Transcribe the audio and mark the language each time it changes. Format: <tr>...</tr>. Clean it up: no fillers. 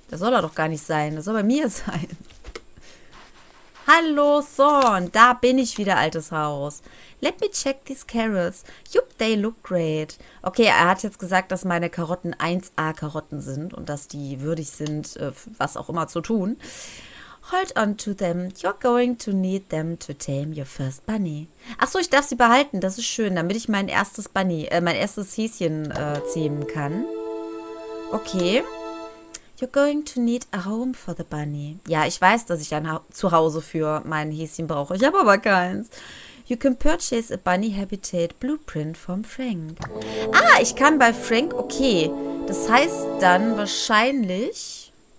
<de>Da soll er doch gar nicht sein. Der soll bei mir sein. Hallo, Thorn. Da bin ich wieder, altes Haus.</de> <en>Let me check these carrots. Yup, they look great.</en> <de>Okay, er hat jetzt gesagt, dass meine Karotten 1A-Karotten sind und dass die würdig sind, was auch immer zu tun.</de> <en>Hold on to them. You're going to need them to tame your first bunny.</en> <de>Ach so, ich darf sie behalten. Das ist schön, damit ich mein erstes Bunny, mein erstes Häschen zähmen kann. Okay.</de> <en>You're going to need a home for the bunny.</en> <de>Ja, ich weiß, dass ich ein Zuhause für mein Häschen brauche. Ich habe aber keins.</de> <en>You can purchase a bunny habitat blueprint from Frank.</en> <de>Ah, ich kann bei Frank. Okay, das heißt dann wahrscheinlich...</de>